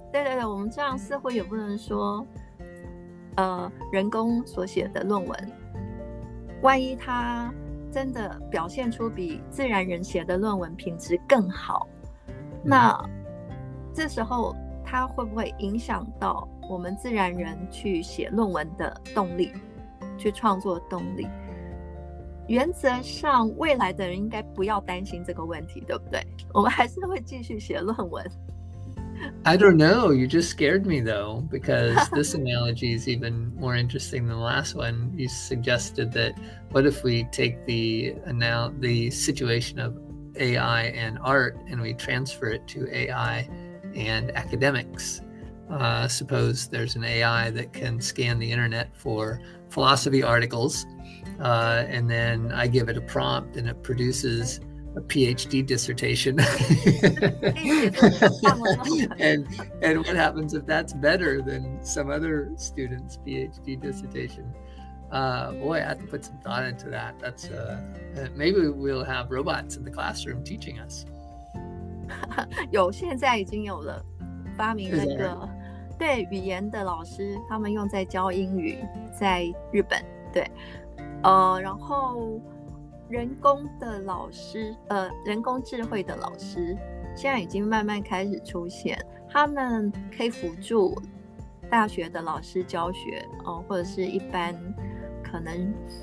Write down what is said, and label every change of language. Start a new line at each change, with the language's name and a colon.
Chinese: 对对对，我们这样似乎也不能说，人工所写的论文，万一它真的表现出比自然人写的论文品质更好，那这时候它会不会影响到我们自然人去写论文的动力，去创作动力？原则上未来的人应该不要担心这个问题，对不对？我们还是会继续写论文。
English: I don't know, you just scared me though, because this analogy is even more interesting than the last one. You suggested that what if we take the situation of AI and art and we transfer it to AI and academics? Suppose there's an AI that can scan the internet for philosophy articles, and then I give it a prompt and it produces a PhD dissertation. and what happens if that's better than some other student's PhD dissertation? Boy, I have to put some thought into that. That's, maybe we'll have robots in the classroom teaching us.
Chinese: 有，现在已经有了，发明那个对语言的老师，他们用在教英语，在日本，对，然后人工的老师，人工智慧的老师现在已经慢慢开始出现，他们可以辅助大学的老师教学，或者是一般可能，